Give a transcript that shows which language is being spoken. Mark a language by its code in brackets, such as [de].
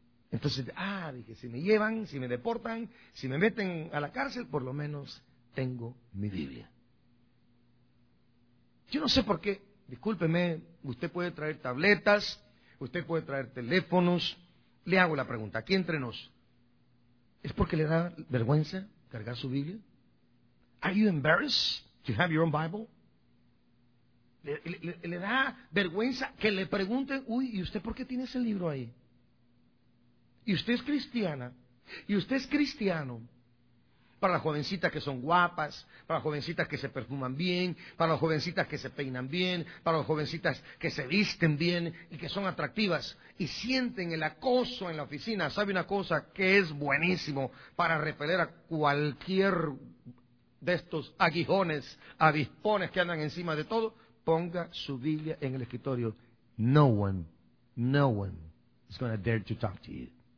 [es] Entonces, dije, si me llevan, si me deportan, si me meten a la cárcel, por lo menos tengo mi Biblia. Yo no sé por qué, discúlpeme, usted puede traer tabletas, usted puede traer teléfonos, le hago la pregunta, aquí entre nos, ¿es porque le da vergüenza cargar su Biblia? [en] Are you embarrassed to have your own Bible? [es] ¿Le da vergüenza que le pregunten, uy, ¿y usted por qué tiene ese libro ahí? ¿Y usted es cristiana? ¿Y usted es cristiano? para las jovencitas que son guapas, para las jovencitas que se perfuman bien, para las jovencitas que se peinan bien, para las jovencitas que se visten bien y que son atractivas y sienten el acoso en la oficina. ¿Sabe una cosa que es buenísimo para repeler a cualquier de estos aguijones, avispones que andan encima de todo? Ponga su Biblia en el escritorio. [en] No one is going to dare to talk to you.